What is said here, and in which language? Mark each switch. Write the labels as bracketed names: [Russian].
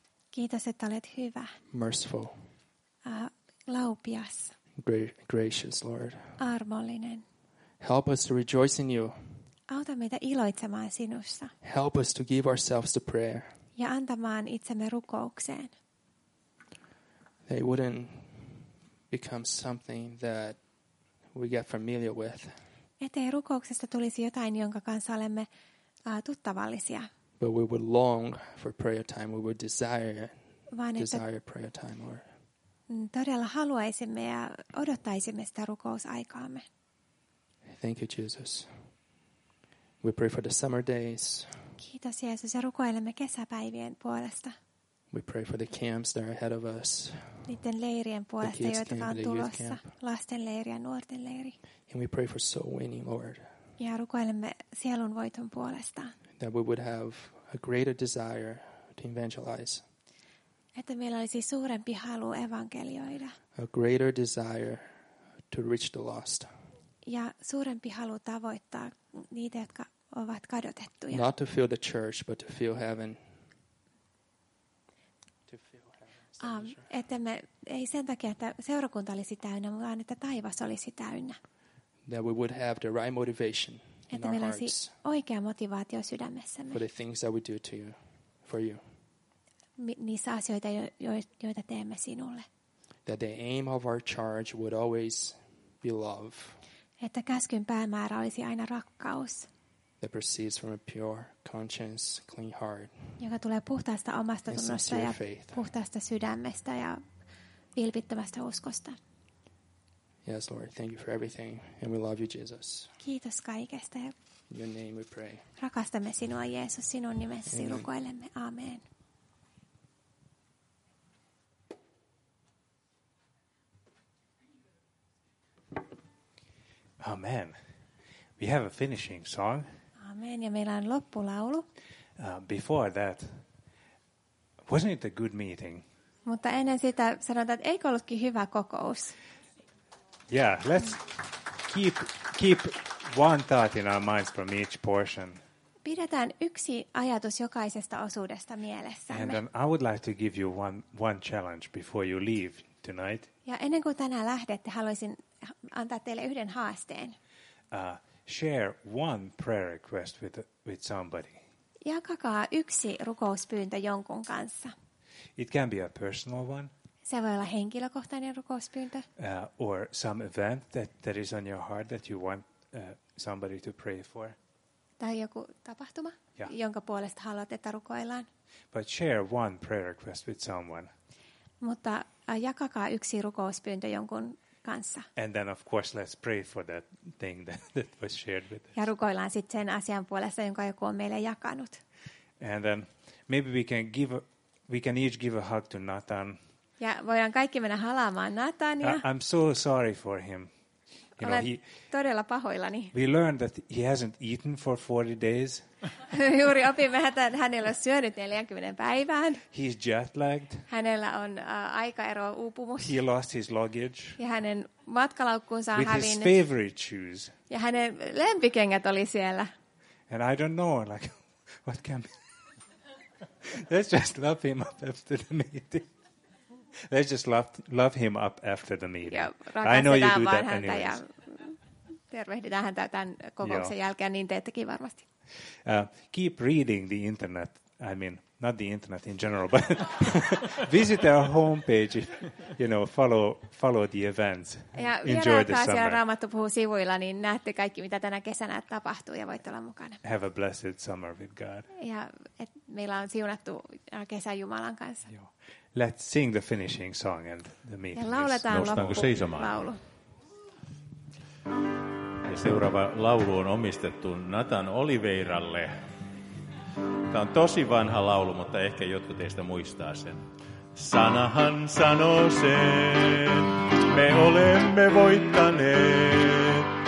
[Finnish] Kiitos, että olet hyvä. [English] Merciful. [Finnish] Laupias. [English] Gracious, Lord. [Finnish] Armollinen. [English] Help us to rejoice in you. [Finnish] Auta meitä iloitsemaan sinussa. [English] Help us to give ourselves to prayer. [Finnish] Ja antamaan itsemme rukoukseen. [English] They wouldn't become something that we get familiar with. [Finnish] Ettei rukouksesta tulisi jotain, jonka kanssa olemme tuttavallisia. [English] But we would long for prayer time. We would desire prayer time, Lord. [Finnish] Todella haluaisimme ja odottaisimme sitä rukousaikaamme. [English] Thank you, Jesus. We pray for the summer days. [Finnish] Kiitos Jeesus, ja rukoilemme kesäpäivien puolesta. [English] We pray for the camps that are ahead of us. [Finnish] Niiden leirien puolesta, joita on tulossa. Lasten leiri ja nuorten leiri. [English] And we pray for soul winning, Lord. [Finnish] Ja rukoilemme sielun voiton puolesta. [English] That we would have a greater desire to evangelize. [Finnish] Että meillä olisi suurempi halu evankelioida. [English] A greater desire to reach the lost. [Finnish] Ja suurempi halu tavoittaa niitä, jotka ovat kadotettuja. [English] Not to fill the church, but to fill heaven. [Finnish] Että me, ei sen takia, että seurakunta olisi täynnä, vaan että taivas olisi täynnä. [English] That we would have the right motivation. [Finnish] Että meillä olisi oikea motivaatio sydämessämme. [English] For the things that we do to you, for you. [Finnish] Niissä asioita, joita teemme sinulle. [English] That the aim of our charge would always be love. [Finnish] Että käskyn päämäärä olisi aina rakkaus. [English] That proceeds from a pure conscience, clean heart. [Finnish] Joka tulee puhtaasta omasta tunnosta ja puhtaasta sydämestä ja vilpittömästä uskosta. [English] Yes, Lord, thank you for everything, and we love you, Jesus. [Finnish] Kiitos kaikesta. [English] In your name we pray. [Finnish] Rakastamme sinua, Jeesus, sinun nimessäsi rukoilemme. [English] Amen. Amen. We have a finishing song. [Finnish] Amen, ja meillä on loppulaulu. [English] Before that, wasn't it a good meeting? [Finnish] Mutta ennen sitä sanotaan, että eikö ollutkin hyvä kokous? [English] Yeah, let's keep one thought in our minds from each portion. [Finnish] Pidetään yksi ajatus jokaisesta osuudesta mielessämme. [English] And then I would like to give you one challenge before you leave tonight. [Finnish] Ja ennen kuin tänään lähdette, haluaisin antaa teille yhden haasteen. [English] Share one prayer request with somebody. [Finnish] Jakakaa yksi rukouspyyntö jonkun kanssa. [English] It can be a personal one. [Finnish] Se voi olla henkilökohtainen rukouspyyntö. [English] Or some event that is on your heart that you want somebody to pray for. [Finnish] Tai joku tapahtuma, yeah, jonka puolesta haluat, että rukoillaan. [English] But share one prayer request with someone. [Finnish] Mutta jakakaa yksi rukouspyyntö jonkun kanssa. [English] And then of course let's pray for that thing that was shared with us. [Finnish] Ja rukoillaan sitten sen asian puolesta, jonka joku on meille jakanut. [English] And then maybe we can each give a hug to Nathan. [Finnish] Ja voidaan kaikki mennä halaamaan Natania. [English] I'm so sorry for him. You know, [Finnish] todella pahoillani. [English] We learned that he hasn't eaten for 40 days. [Finnish] Juuri opimme, että hän ei ole syönyt 40 päivään. [English] He's jet-lagged. [Finnish] Hänellä on aikaero uupumus. [English] He lost his luggage. [Finnish] Ja hänen matkalaukkuunsa on hävinnyt. [English] With his favorite shoes. [Finnish] Ja hänen lempikengät oli siellä. [English] And I don't know, like, what can be. Let's just love him up after the meeting. Let's just love him up after the meeting. Joo, I know you do that anyway. [Finnish] Tervehditään häntä tämän kokouksen jälkeen, niin teettekin varmasti. [English] Keep reading the internet. I mean, not the internet in general, but visit our homepage. You know, follow the events. [Finnish] Ja [English] enjoy the summer. [Finnish] Siellä Raamattopuhun sivuilla, niin näette kaikki, mitä tänä kesänä tapahtuu, ja voitte olla mukana. [English] Have a blessed summer with God. [Finnish] Ja et meillä on siunattu kesä Jumalan kanssa. Joo. [English] Let's sing the finishing song and the meeting. [Finnish] Ja lauletaan loppuun laulu. Ja seuraava laulu on omistettu Nathan Oliveiralle. Tämä on tosi vanha laulu, mutta ehkä jotkut teistä muistaa sen. Sanahan sanoo sen, me olemme voittaneet.